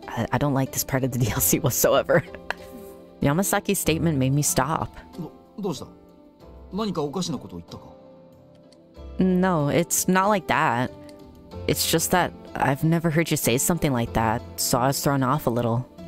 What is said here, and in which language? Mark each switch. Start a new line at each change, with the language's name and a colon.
English: I don't like this part of the DLC whatsoever. Yamasaki's statement made me stop.
Japanese: どうした?何かおかしなことを言ったか?
English: No, it's not like that. It's just that I've never heard you say something like that, so I was thrown off a little.